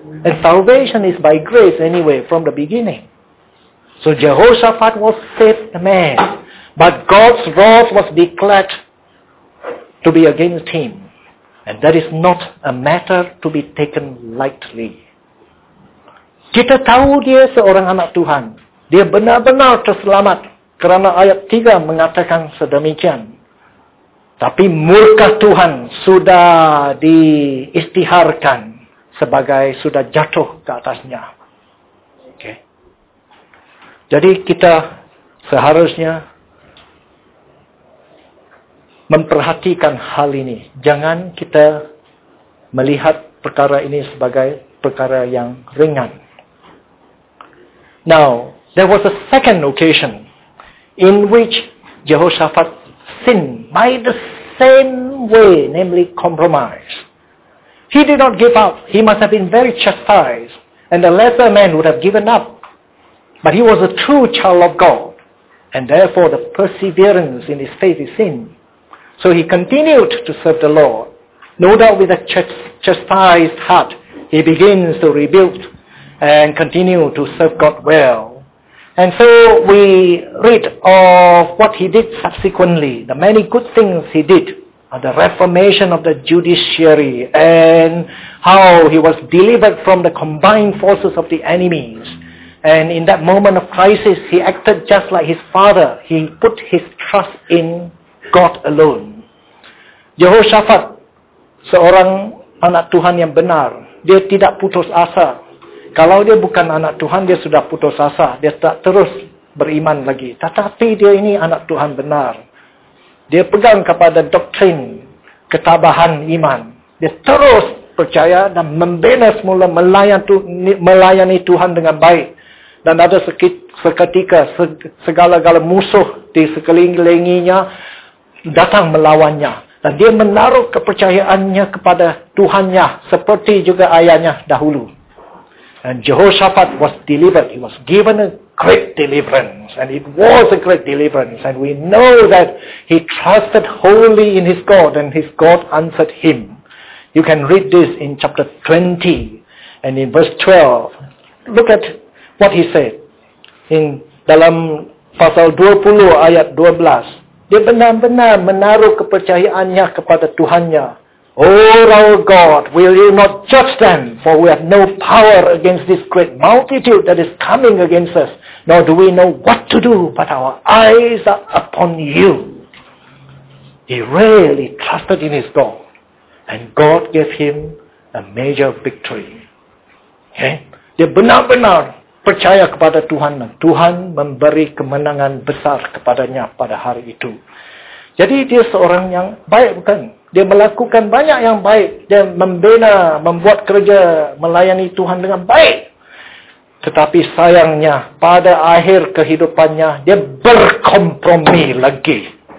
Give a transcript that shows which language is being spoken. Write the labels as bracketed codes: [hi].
[en] And salvation is by grace anyway, from the beginning. So Jehoshaphat was a saved man. But God's wrath was declared to be against him. And that is not a matter to be taken lightly. [ms] Kita tahu dia seorang anak Tuhan. Dia benar-benar terselamat kerana ayat 3 mengatakan sedemikian. Tapi murka Tuhan sudah diistiharkan sebagai sudah jatuh ke atasnya. Okay. Jadi kita seharusnya memperhatikan hal ini. Jangan kita melihat perkara ini sebagai perkara yang ringan. [en] Now, there was a second occasion in which Jehoshaphat sinned by the same way, namely compromise. He did not give up. He must have been very chastised, and a lesser man would have given up. But he was a true child of God, and therefore the perseverance in his faith is seen. So he continued to serve the Lord. No doubt with a chastised heart, he begins to rebuild and continue to serve God well. And so we read of what he did subsequently, the many good things he did, the reformation of the judiciary, and how he was delivered from the combined forces of the enemies. And in that moment of crisis, he acted just like his father. He put his trust in God alone. [ms] Jehoshaphat, seorang anak Tuhan yang benar, dia tidak putus asa. Kalau dia bukan anak Tuhan, dia sudah putus asa. Dia tak terus beriman lagi. Tetapi dia ini anak Tuhan benar. Dia pegang kepada doktrin ketabahan iman. Dia terus percaya dan membina semula melayani Tuhan dengan baik. Dan ada seketika segala-gala musuh di sekelilinginya datang melawannya. Dan dia menaruh kepercayaannya kepada Tuhannya seperti juga ayahnya dahulu. [en] And Jehoshaphat was delivered. He was given a great deliverance. And it was a great deliverance. And we know that he trusted wholly in his God, and his God answered him. You can read this in chapter 20 and in verse 12. Look at what he said in [ms] dalam pasal 20 ayat 12. Dia benar-benar menaruh kepercayaannya kepada Tuhannya. [en] "Oh, our God, will you not judge them? For we have no power against this great multitude that is coming against us, nor do we know what to do, but our eyes are upon you." He really trusted in his God, and God gave him a major victory. [ms] Okay? Dia benar-benar percaya kepada Tuhan. Tuhan memberi kemenangan besar kepadanya pada hari itu. Jadi dia seorang yang baik, bukan? Dia melakukan banyak yang baik. Dia membina, membuat kerja, melayani Tuhan dengan baik. Tetapi sayangnya, pada akhir kehidupannya, dia berkompromi lagi.